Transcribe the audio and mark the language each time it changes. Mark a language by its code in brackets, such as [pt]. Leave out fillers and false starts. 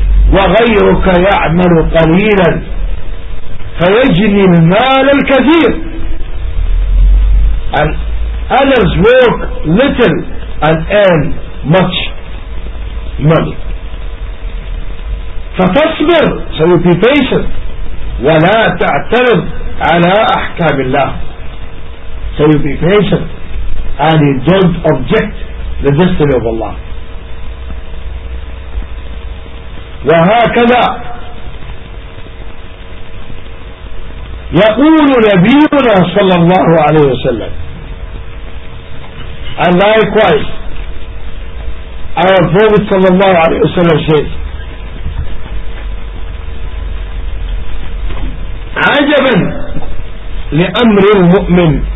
[ar] وغيرك يعمل قليلا فيجني المال الكثير. [en] And others work little and earn much money. [ar] فتصبر, [en] so you be patient, [ar] ولا تعترض على أحكام الله. [en] So you be patient and you don't object the destiny of Allah. [ar] وهكذا يقول نبينا صلى الله عليه وسلم. [en] And likewise our Prophet صلى الله عليه وسلم says, [ar] عجبا لأمر المؤمن